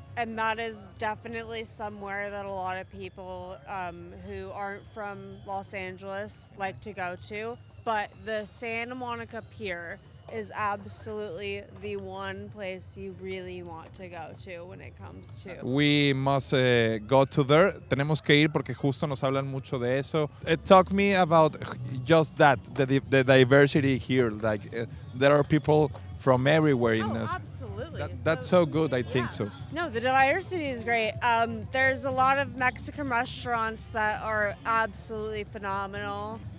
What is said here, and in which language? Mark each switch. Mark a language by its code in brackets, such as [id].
[en] And that is definitely somewhere that a lot of people who aren't from Los Angeles like to go to. But the Santa Monica Pier is absolutely the one place you really want to go to when it comes to. We must go to there. [es] Tenemos que ir porque justo nos hablan mucho de eso. [en] Talk me about just that, the diversity here. Like, there are people from everywhere. Oh, absolutely. That's so good, I think, yeah. So. No, the diversity is great. There's a lot of Mexican restaurants that are absolutely phenomenal.